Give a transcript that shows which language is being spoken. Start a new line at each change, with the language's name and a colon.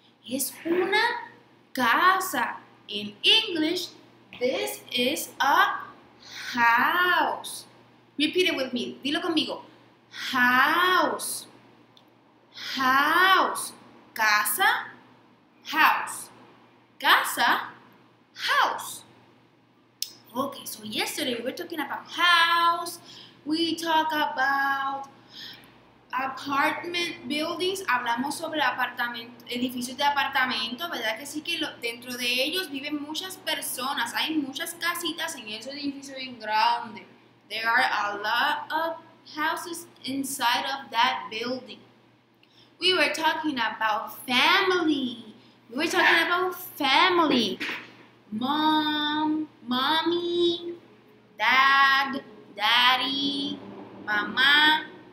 Spanish: Es una casa.
English: In English, this is a house. Repeat it with me.
Spanish: Dilo conmigo.
English: House. House. Casa. House. Casa. House. Okay, so yesterday we were talking about house. We talk about... apartment buildings,
Spanish: hablamos sobre edificios de apartamento, ¿verdad? Que sí que dentro de ellos viven muchas personas. Hay muchas casitas en ese edificio bien grande.
English: There are a lot of houses inside of that building. We were talking about family. We were talking about family. Mom, mommy, dad, daddy, mamá.